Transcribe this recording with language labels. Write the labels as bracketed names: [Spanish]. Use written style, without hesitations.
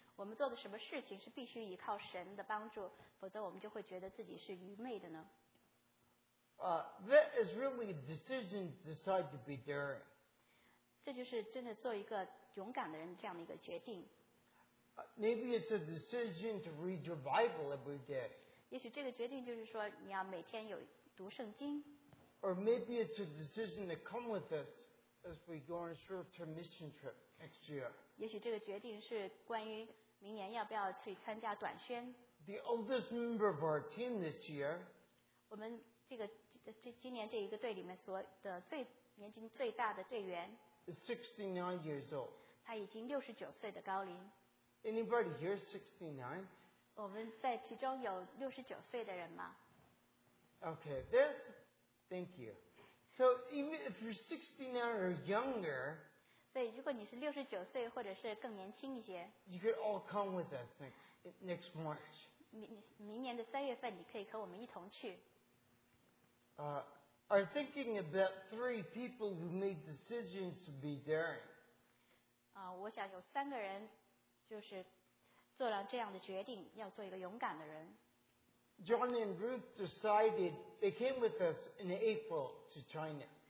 [Chinese] 我们做的什么事情是必须依靠神的帮助，否则我们就会觉得自己是愚昧的呢？ [English] That is really a decision to decide to be daring. [Chinese] 这就是真的做一个勇敢的人这样的一个决定。 [English] Maybe it's a decision to read your Bible every day. [Chinese] 也许这个决定就是说你要每天有读圣经。 [English] Or maybe it's a decision to come with us as we go on a short-term mission trip next year. [Chinese] 也许这个决定是关于明年要不要去参加短宣。 [English] The oldest member of our team this year. [Chinese] 我们今年这一个队里面的最年纪最大的队员 [English] is 69 years old. [Chinese] 他已经69岁的高龄。 [English] Anybody here 69? [Chinese] 我们在其中有69岁的人吗？ [English] Okay, there's, thank you. So even if you're 69 or younger, [Chinese] 所以如果你是69岁或者是更年轻一些， [English] you could all come with us next March. [Chinese] 明年的三月份你可以和我们一同去。 [English] Are thinking about three people who made decisions to be daring. [Chinese] 我想有三个人就是做了这样的决定，要做一个勇敢的人。 [English] John and Ruth decided they came with us in April to China.